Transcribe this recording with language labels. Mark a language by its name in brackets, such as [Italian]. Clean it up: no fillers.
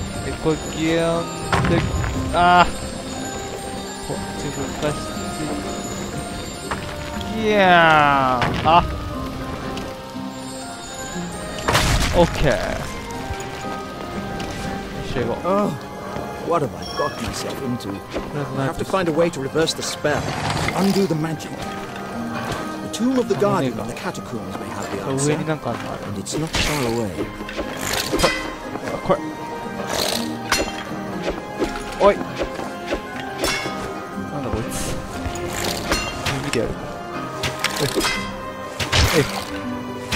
[Japanese] で、これギューンって、あー。こっち動かして。いやあ、オッケー、よし、行こ [English] う。What have I got myself into? I have to find a way to reverse the spell, undo the magic. The tomb of the guardian in the catacombs may have the answer. [Japanese] 上になんかあるの？ [English] And it's not far away. [Japanese] これ、おい、なんだこいつ、見てやる。おい、おい、で、あ、そっちの方がいい。